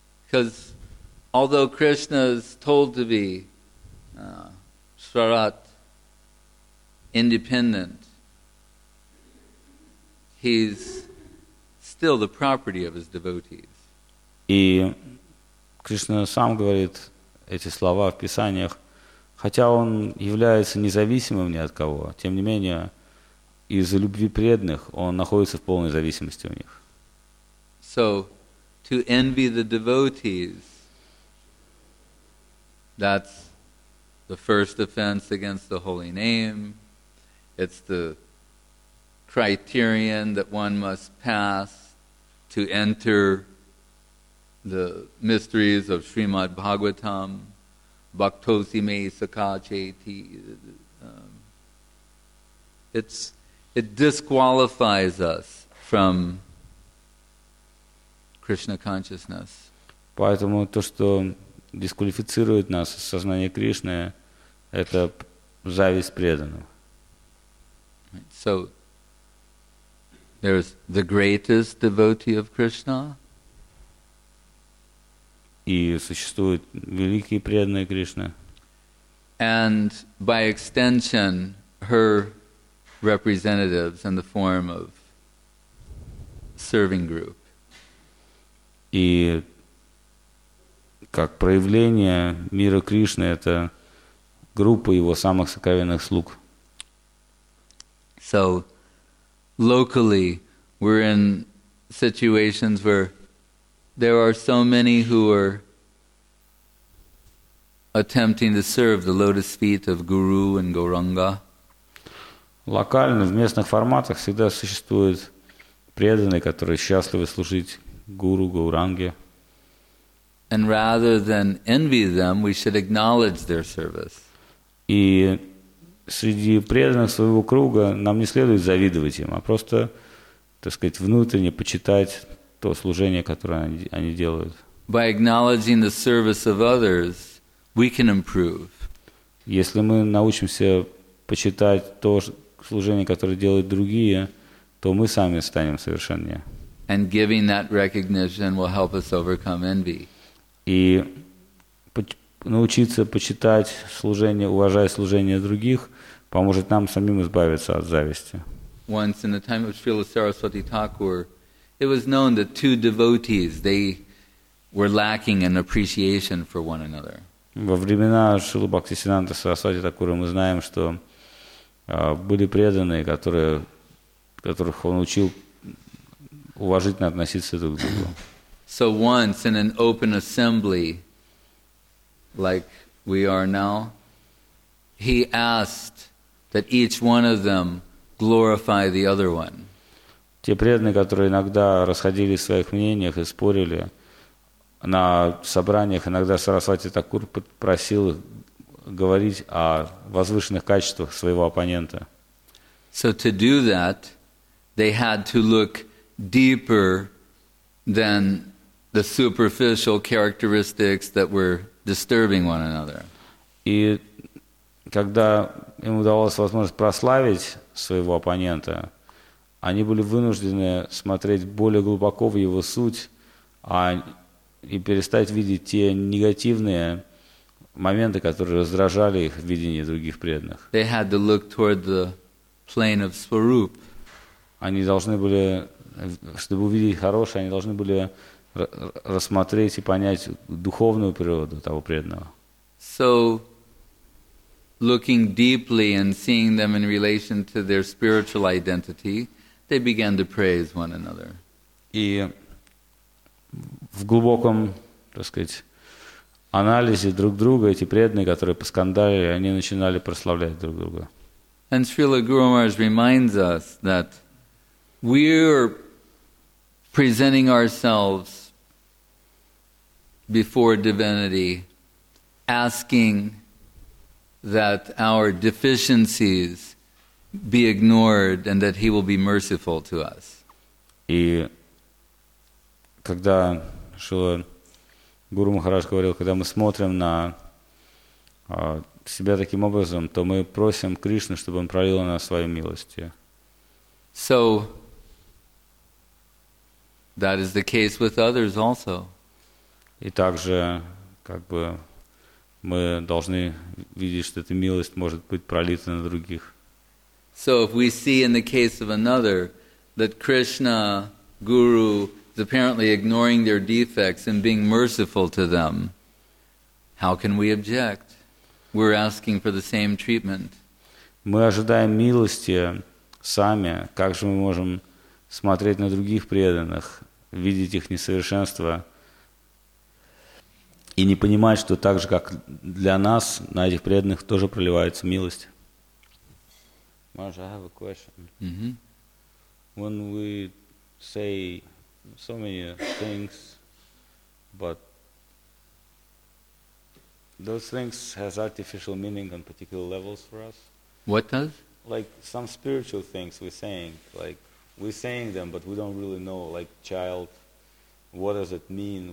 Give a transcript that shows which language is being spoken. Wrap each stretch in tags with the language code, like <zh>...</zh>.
<en>Because although Krishna is told to be sarat, independent, he's still the property of his devotees.</en> <ru>И Кришна сам говорит эти слова в писаниях, хотя он является независимым ни от кого, тем не менее, из-за любви преданных он находится в полной зависимости у них.</ru> <en>So, to envy the devotees, that's the first offense against the holy name. It's the criterion that one must pass to enter the mysteries of Srimad Bhagavatam.</en> <sa>Bhaktosi me sakha cheti.</sa> <en>It disqualifies us from Krishna consciousness.</en> <ru>Поэтому то, что дисквалифицирует нас из сознания Кришны, это зависть преданного.</ru> <en>So, there's the greatest devotee of Krishna.</en> <ru>И существуют великие преданные Кришны.</ru> <en>And by extension, her representatives in the form of serving group.</en> <ru>И как проявление мира Кришны — это группа его самых сокровенных слуг.</ru> <en>So, locally, we're in situations where there are so many who are attempting to serve the lotus feet of Guru and Gauranga.</en> <ru>Локально, в местных форматах, всегда существуют преданные, которые счастливы служить Гуру, Гауранге.</ru> <en>And rather than envy them, we should acknowledge their service.</en> <ru>И среди преданных своего круга нам не следует завидовать им, а просто, так сказать, внутренне почитать то служение, которое они делают.</ru> <en>By acknowledging the service of others, we can improve.</en> <ru>Если мы научимся почитать то служение, которое делают другие, то мы сами станем совершеннее.</ru> <en>And giving that recognition will help us overcome envy.</en> <ru>И научиться почитать служение, уважая служение других, поможет нам самим избавиться от зависти.</ru> <en>Once in the time of Srila Saraswati Thakur, it was known that two devotees, they were lacking in appreciation for one another.</en> <ru>Во времена Шрилы Бхактисиддханты Сарасвати Такура мы знаем, что были преданные, которых он учил уважительно относиться друг к другу.</ru> <en>So once in an open assembly, like we are now, he asked that each one of them glorify the other one.</en> <ru>Те преданные, которые иногда расходились в своих мнениях и спорили на собраниях, иногда Сарасвати Такур просил говорить о возвышенных качествах своего оппонента.</ru> <en>So to do that, they had to look deeper than the superficial characteristics that were disturbing one another.</en> <ru>И когда им удавалось возможность прославить своего оппонента, они были вынуждены смотреть более глубоко в его суть и перестать видеть те негативные моменты, которые раздражали их в видении других преданных.</ru> <en>They had to look toward the plane of Swarup.</en> <ru>Они должны были, чтобы увидеть хорошее, они должны были рассмотреть и понять духовную природу того преданного.</ru> <en>So, looking deeply and seeing them in relation to their spiritual identity, they began to praise one another.</en> <ru>И в глубоком, так сказать, анализе друг друга эти преданные, которые поскандалили, они начинали прославлять друг друга.</ru> <en>And Srila Guru Maharaj reminds us that we're presenting ourselves before divinity, asking that our deficiencies be ignored and that he will be merciful to us.</en> <ru>И когда Шила Гуру Махарадж говорил, когда мы смотрим на себя таким образом, то мы просим Кришну, чтобы он пролил на нас свою милость.</ru> <en>So that is the case with others also.</en> <ru>И также, как бы, мы должны видеть, что эта милость может быть пролита на других.</ru> <en>So if we see in the case of another that Krishna, Guru, is apparently ignoring their defects and being merciful to them, how can we object? We're asking for the same treatment.</en> <ru>Мы ожидаем милости сами. Как же мы можем смотреть на других преданных, видеть их несовершенства и не понимать, что так же, как для нас, на этих преданных тоже проливается милость?</ru> <en>Маша, I have a question. Mm-hmm. When we say so many things, but those things has artificial meaning on particular levels for us. What does? Like some spiritual things we're saying, like we're saying them, but we don't really know, like child, what does it mean?</en>